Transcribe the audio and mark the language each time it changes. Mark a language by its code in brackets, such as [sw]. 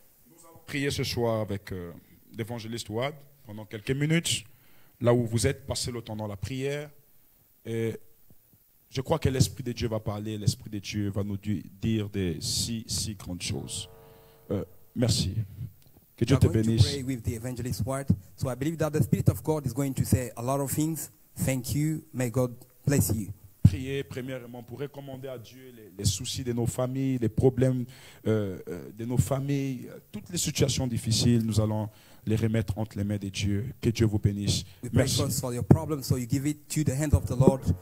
[fr] Nous allons prier ce soir avec l'évangéliste Wad pendant quelques minutes. Là où vous êtes, passez le temps dans la prière. Et je crois que l'Esprit de Dieu va parler, l'Esprit de Dieu va nous dire des si, si grandes choses. Merci. Que Dieu te bénisse. [en] We are going to pray with the evangelist Ward. So I believe that the Spirit of God is going to say a lot of things. Thank you. May God bless you. [fr] Priez premièrement pour recommander à Dieu les soucis de nos familles, les problèmes de nos familles, toutes les situations difficiles. Nous allons les remettre entre les mains de Dieu. Que Dieu vous bénisse. [en] We [fr] merci. [en] Pray for your problem, so you give it to the hands of the Lord.